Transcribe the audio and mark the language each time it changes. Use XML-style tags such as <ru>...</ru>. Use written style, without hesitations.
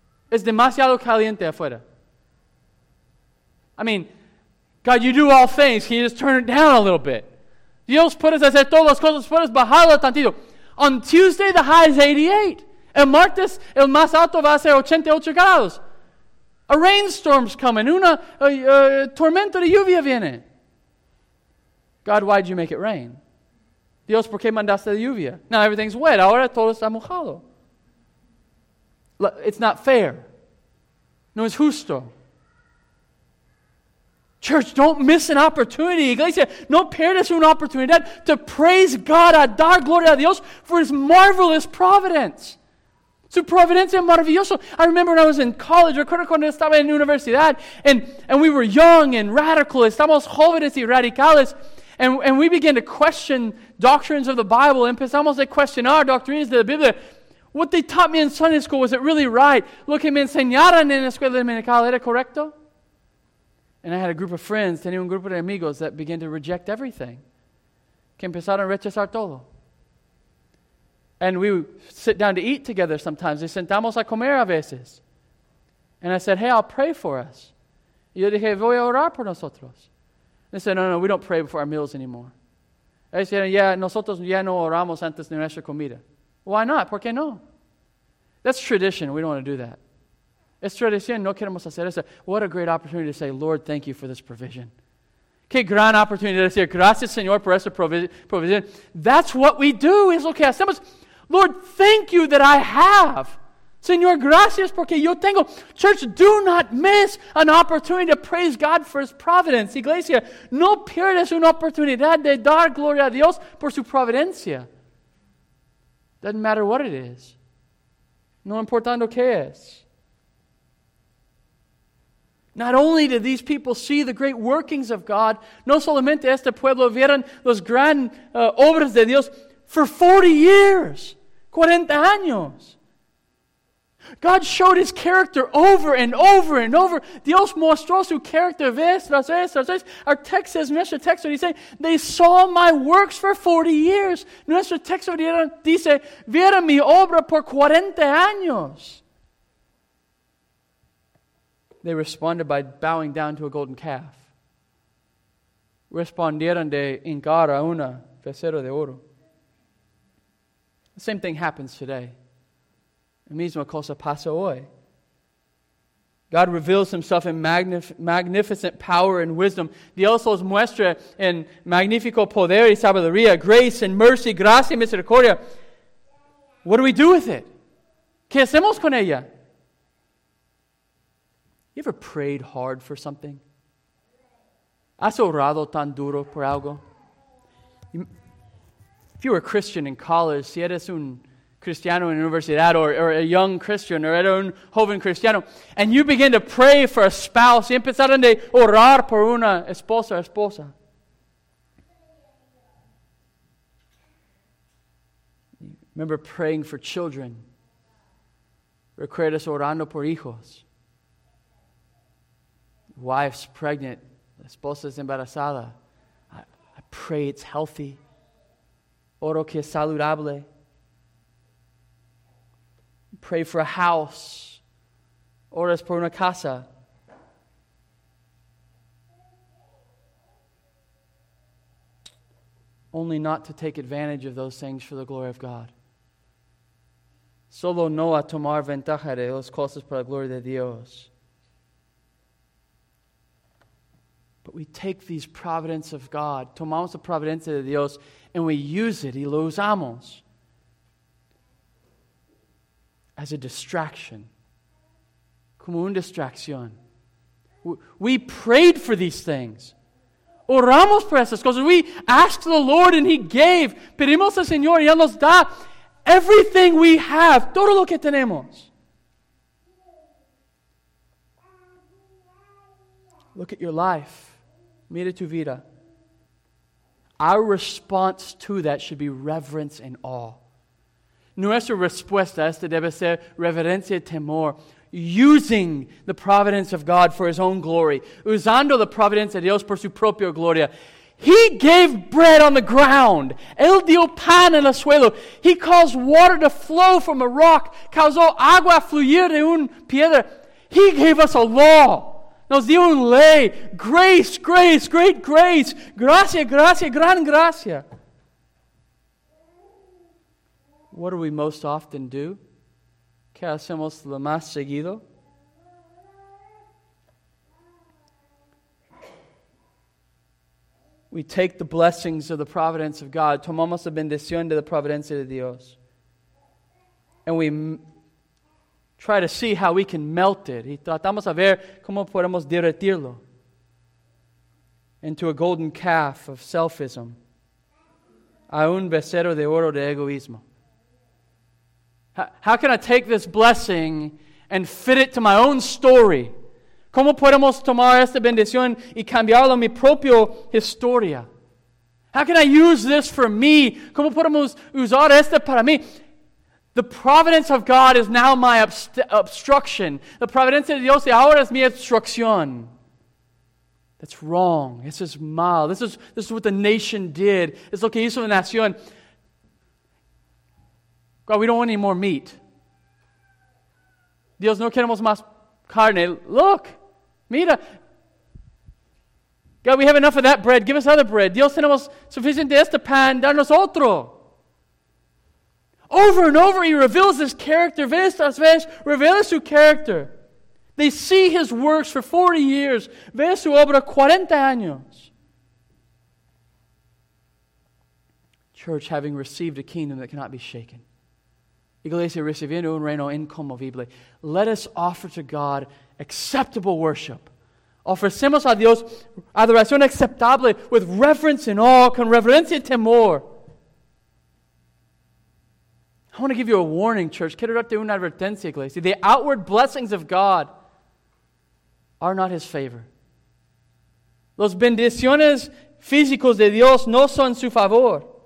<es>Es demasiado caliente afuera.</es> <en>I mean, God, you do all things. Can you just turn it down a little bit?</en> <es>Dios, puedes hacer todas las cosas. Puedes bajarlo tantito.</es> <en>On Tuesday, the high is 88.</en> <es>El martes, el más alto va a ser 88 grados.</es> <en>A rainstorm's coming.</en> <es>Tormenta de lluvia viene.</es> <en>God, why did you make it rain?</en> <es>Dios, ¿por qué mandaste la lluvia?</es> <en>Now everything's wet.</en> <es>Ahora todo está mojado.</es> <en>It's not fair.</en> <es>No es justo.</es> <en>Church, don't miss an opportunity.</en> <es>Iglesia, no pierdas una oportunidad</es> <en>to praise God,</en> <es>a dar gloria a Dios</es> <en>for His marvelous providence.</en> <es>Su providencia maravilloso.</es> <en>I remember when I was in college,</en> <es>recuerdo cuando estaba en universidad,</es> <en>and we were young and radical,</en> <es>estamos jóvenes y radicales,</es> <en>and we began to question doctrines of the Bible,</en> <es>empezamos a cuestionar doctrines de la Biblia.</es> <en>What they taught me in Sunday school, was it really right?</en> <es>Lo que me enseñaron en la escuela dominical, ¿era correcto?</es> <en>And I had a group of friends,</en> <es>tenía un grupo de amigos</es> <en>that began to reject everything,</en> <es>que empezaron a rechazar todo.</es> <en>And we would sit down to eat together sometimes.</en> <es>Y sentamos a comer a veces.</es> <en>And I said, hey, I'll pray for us.</en> <es>Y yo dije, voy a orar por nosotros.</es> <en>They said, no, we don't pray before our meals anymore.</en> <es>Ellos dijeron, yeah, nosotros ya no oramos antes de nuestra comida.</es> <en>Why not?</en> <es>¿Por qué no?</es> <en>That's tradition. We don't want to do that.</en> <es>Es tradición. No queremos hacer eso.</es> <en>What a great opportunity to say, Lord, thank you for this provision.</en> <es>Qué gran oportunidad de decir, gracias, Señor, por esta provisión.</es> <en>That's what we do,</en> <es>es lo que hacemos.</es> <en>Lord, thank you that I have.</en> <es>Señor, gracias porque yo tengo.</es> <en>Church, do not miss an opportunity to praise God for His providence.</en> <es>Iglesia, no pierdas una oportunidad de dar gloria a Dios por su providencia.</es> <en>Doesn't matter what it is.</en> <es>No importando qué es.</es> <en>Not only did these people see the great workings of God,</en> <es>no solamente este pueblo vieron los gran obras de Dios</es> <en>for 40 years,</en> <es>40 años.</es> <en>God showed His character over and over and over.</en> <es>Dios mostró su carácter vez tras vez tras vez.</es> <en>Our text says,</en> <es>nuestro texto dice,</es> <en>they saw my works for 40 years.</en> <es>Nuestro texto dice, vieron mi obra por 40 años.</es> <en>They responded by bowing down to a golden calf.</en> <es>Respondieron de hincar a una becerra de oro.</es> <en>The same thing happens today.</en> <es>La misma cosa pasa hoy.</es> <en>God reveals Himself in magnificent power and wisdom.</en> <es>Dios los muestra en magnífico poder y sabiduría,</es> <en>grace and mercy,</en> <es>gracia y misericordia.</es> <en>What do we do with it?</en> <es>¿Qué hacemos con ella?</es> <en>You ever prayed hard for something?</en> <es>¿Has orado tan duro por algo?</es> <en>If you were a Christian in college,</en> <es>si eres un cristiano en universidad,</es> <en>or a young Christian, or</en> <es>eres un joven cristiano,</es> <en>and you begin to pray for a spouse,</en> <es>y empezaron de orar por una esposa, esposa.</es> <en>Remember praying for children.</en> <es>Recuerdas orando por hijos.</es> <en>Wife's pregnant,</en> <es>esposa es embarazada.</es> <en>I pray it's healthy.</en> <es>Oro que es saludable.</es> <en>Pray for a house.</en> <es>Oras por una casa.</es> <en>Only not to take advantage of those things for the glory of God.</en> <es>Solo no a tomar ventaja de las cosas para la gloria de Dios.</es> <en>But we take these providence of God,</en> <es>tomamos la providencia de Dios,</es> <en>and we use it,</en> <es>y lo usamos,</es> <en>as a distraction.</en> <es>Como una distracción.</es> <en>We prayed for these things.</en> <es>Oramos por esas cosas.</es> <en>We asked the Lord and He gave.</en> <es>Pedimos al Señor y Él nos da</es> <en>everything we have.</en> <es>Todo lo que tenemos.</es> <en>Look at your life.</en> <es>Mira tu vida.</es> <en>Our response to that should be reverence and awe.</en> <es>Nuestra respuesta a esto debe ser reverencia y temor.</es> <en>Using the providence of God for His own glory.</en> <es>Usando la providencia de Dios por su propia gloria.</es> <en>He gave bread on the ground.</en> <es>Él dio pan en el suelo.</es> <en>He caused water to flow from a rock.</en> <es>Causó agua fluir de un piedra.</es> <en>He gave us a law.</en> <es>Nos dio un ley.</es> <en>Grace, grace, great grace.</en> <es>Gracia, gracia, gran gracia.</es> <en>What do we most often do?</en> <es>¿Qué hacemos lo más seguido?</es> <en>We take the blessings of the providence of God.</en> <es>Tomamos la bendición de la providencia de Dios.</es> <en>And we try to see how we can melt it.</en> <es>Y tratamos a ver cómo podemos derretirlo.</es> <en>into a golden calf of selfism,</en> <es>a un becerro de oro de egoísmo.</es> <en>How can I take this blessing and fit it to my own story?</en> <es>¿Cómo podemos tomar esta bendición y cambiarlo a mi propia historia?</es> <en>How can I use this for me?</en> <es>¿Cómo podemos usar esto para mí?</es> <en>The providence of God is now my obstruction.</en> <es>The providencia de Dios ahora es mi obstrucción.</es> <en>That's wrong. This is mal. This is what the nation did.</en> <es>It's lo que hizo la nación.</es> <en>God, we don't want any more meat.</en> <es>Dios, no queremos más carne.</es> <en>Look, mira. God, we have enough of that bread. Give us other bread.</en> <es>Dios, tenemos suficiente este pan. Danos otro.</es> <en>Over and over, he reveals his character.</en> <es>Vez tras vez, revela su character.</es> <en>They see his works for 40 years.</en> <es>Ve su obra 40 años.</es> <en>Church, having received a kingdom that cannot be shaken.</en> <es>Iglesia, recibiendo un reino inconmovible.</es> <en>Let us offer to God acceptable worship.</en> <es>Ofrecemos a Dios adoración aceptable</es> <en>with reverence and awe,</en> <es>con reverencia y temor.</es> <en>I want to give you a warning, church.</en> <es>Quiero darte una advertencia, iglesia.</es> <en>The outward blessings of God are not his favor.</en> <es>Los bendiciones físicos de Dios no son su favor.</es>